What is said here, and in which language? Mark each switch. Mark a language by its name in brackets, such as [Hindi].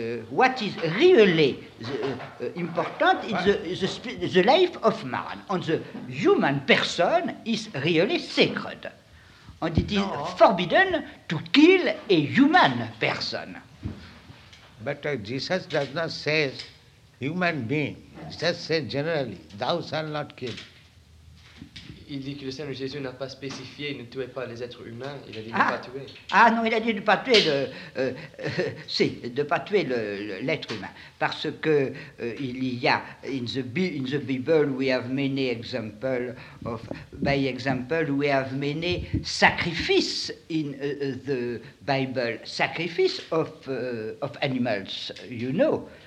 [English] What is really important is the life of man, and the human person is really sacred. And it is forbidden to kill a human person. But Jesus does not say human being. He just says generally, thou shalt not kill. [French] Il dit que le Seigneur Jésus n'a pas spécifié, il ne tuait pas les êtres humains, il a dit de ne pas tuer. Ah non, il a dit de ne pas tuer, l'être humain. Parce que il y a, [English] in the Bible, we have many examples of, by example, we have many sacrifices in the Bible, sacrifices of animals, you know.